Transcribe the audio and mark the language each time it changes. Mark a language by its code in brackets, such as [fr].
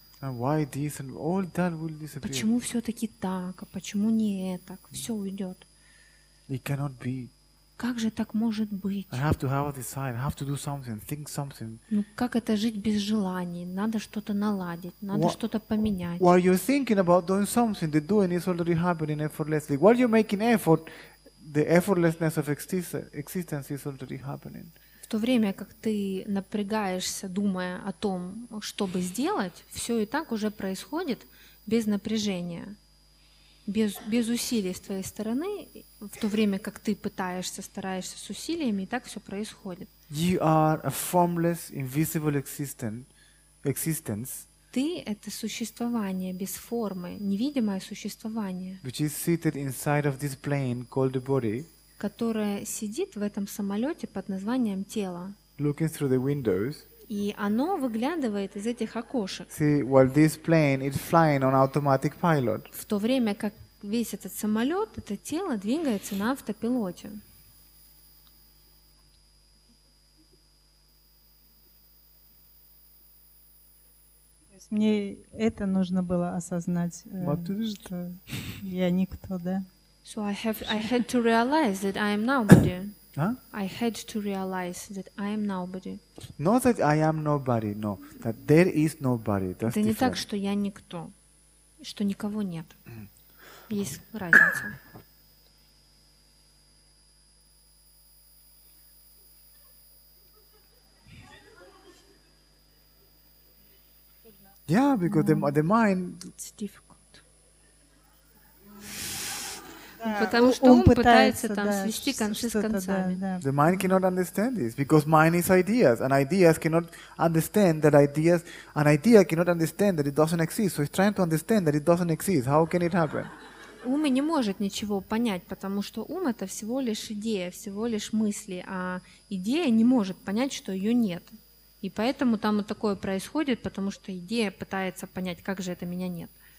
[en] And why this and all that will disappear? [ru] Почему все-таки так, а почему не так? Все уйдет. [en] It cannot be. [ru] Как же так может быть? [en] I have to have a desire, I have to do something, think something. [ru] Ну как это жить без желаний? Надо что-то наладить, надо что-то поменять. [en] While you're thinking about doing something, the doing is already happening effortlessly. While you're making effort, the effortlessness of existence is already happening. [ru] В то время, как ты напрягаешься, думая о том, чтобы сделать, все и так уже происходит без напряжения. без усилий с твоей стороны, в то время как ты пытаешься, стараешься с усилиями, и так все происходит. [en] You are a formless, invisible existence. [ru] Ты — это существование без формы, невидимое существование, [en] which is seated inside of this plane called the body, [ru] которое сидит в этом самолете под названием тело. [en] Looking through the windows, [ru] и оно выглядывает из этих окошек. [en] See, while this plane is flying on automatic pilot. [ru] В то время как весь этот самолет, это тело двигается на автопилоте. Мне это нужно было осознать, что я никто, да? [en] So I had to realize that I am nobody. I had to realize that I am nobody. Not that I am nobody, no. That there is nobody. That's [ru] Это не так, что я никто, что никого нет. Есть разница. [en] Yeah, because the mind. It's difficult. [ru] Потому что ум пытается там свести концы с концами. [en] The mind cannot understand this because mind is ideas, and ideas cannot understand that ideas. An idea cannot understand that it doesn't exist, so it's trying to understand that it doesn't exist. How can it happen? [ru] Ум не может ничего понять, потому что ум это всего лишь идея, всего лишь мысли, а идея не может понять, что ее нет. И поэтому там вот такое происходит, потому что идея пытается понять, как же это меня нет.